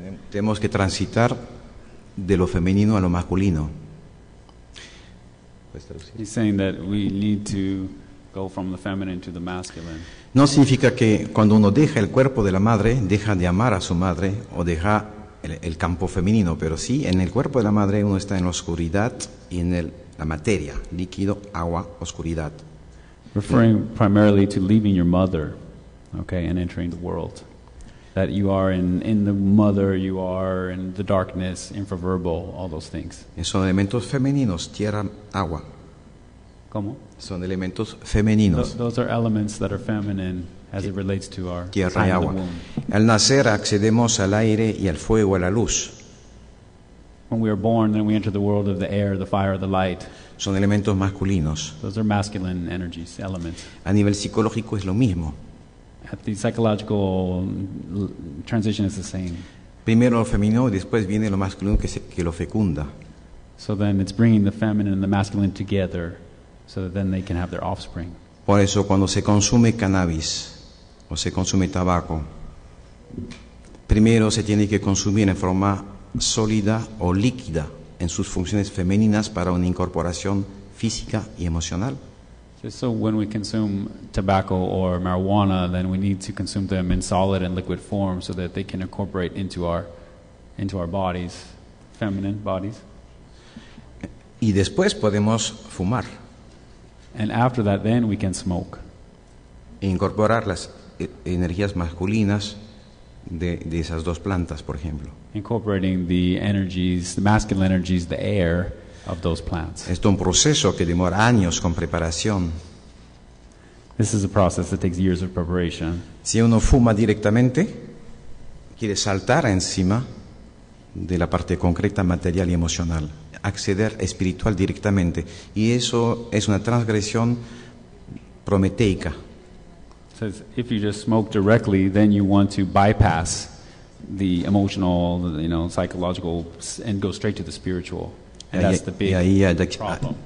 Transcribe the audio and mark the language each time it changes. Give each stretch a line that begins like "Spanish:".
Spanish: Tenemos que transitar de lo femenino a lo masculino.
English: He's saying that we need to go from the feminine to the masculine.
Spanish: No significa que cuando uno deja el cuerpo de la madre, deja de amar a su madre o deja el campo femenino, pero sí, en el cuerpo de la madre uno está en la oscuridad y en la materia, líquido, agua, oscuridad.
English: Referring primarily to leaving your mother, okay, and entering the world. That you are in the mother, you are in the darkness, infraverbal, all those things.
Spanish: Son elementos femeninos, tierra, agua. ¿Cómo? Son elementos femeninos.
English: Those are elements that are feminine as it relates to our
Spanish: tierra
English: time
Spanish: y agua.
English: In the womb.
Spanish: Al nacer accedemos al aire y al fuego, a la luz.
English: When we are born, then we enter the world of the air, the fire, the light.
Spanish: Son elementos masculinos.
English: Those are masculine energies, elements.
Spanish: A nivel psicológico es lo mismo.
English: At the psychological transition is the same.
Spanish: Primero lo femenino y después viene lo masculino que lo fecunda.
English: So then it's bringing the feminine and the masculine together so that then they can have their offspring.
Spanish: Por eso cuando se consume cannabis o se consume tabaco, primero se tiene que consumir en forma sólida o líquida en sus funciones femeninas para una incorporación física y emocional.
English: So when we consume tobacco or marijuana, then we need to consume them in solid and liquid form so that they can incorporate into our bodies, feminine bodies.
Spanish: Y después podemos fumar.
English: And after that, then we can smoke.
Spanish: E incorporar las energías masculinas de esas dos plantas, por ejemplo.
English: Incorporating the energies, the masculine energies, the air. Of those plants.
Spanish: Esto es un proceso que demora años con preparación.
English: This is a process that takes years of preparation.
Spanish: Si uno fuma directamente, quiere saltar encima de la parte concreta, material y emocional, acceder espiritual directamente, y eso es una transgresión prometeica.
English: It says if you just smoke directly, then you want to bypass the emotional, you know, psychological, and go straight to the spiritual. And that's the big problem.